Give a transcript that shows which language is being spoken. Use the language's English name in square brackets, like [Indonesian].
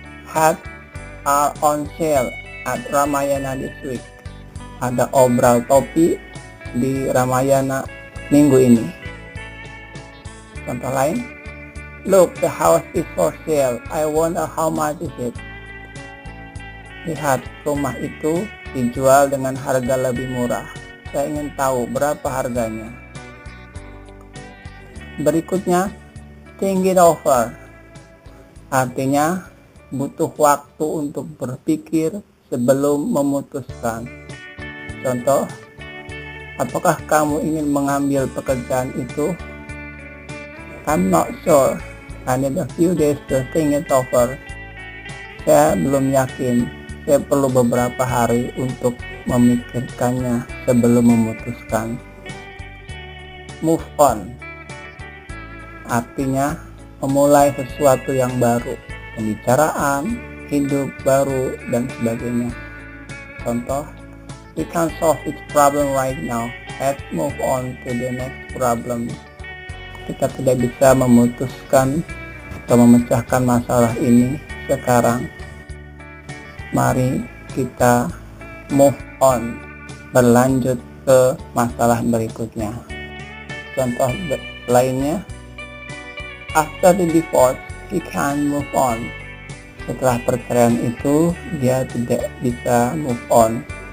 [English] Hats are on sale at Ramayana this week. [Indonesian] Ada obral topi di Ramayana minggu ini. Contoh lain, [English] look, the house is for sale. I wonder how much is it. [Indonesian] Lihat, rumah itu dijual dengan harga lebih murah. Saya ingin tahu berapa harganya. Berikutnya, think it over. Artinya, butuh waktu untuk berpikir sebelum memutuskan. Contoh, apakah kamu ingin mengambil pekerjaan itu? [English] I'm not sure. I need a few days to think it over. [Indonesian] Saya belum yakin. Saya perlu beberapa hari untuk memikirkannya sebelum memutuskan. Move on, artinya memulai sesuatu yang baru, pembicaraan, hidup baru, dan sebagainya. [English] Contoh, we can't solve this problem right now. Let's move on to the next problem. [Indonesian] Kita tidak bisa memutuskan atau memecahkan masalah ini sekarang. Mari kita move on, berlanjut ke masalah berikutnya. Contoh lainnya, [English] after the divorce, he can't move on. [Indonesian] Setelah perceraian itu, dia tidak bisa move on.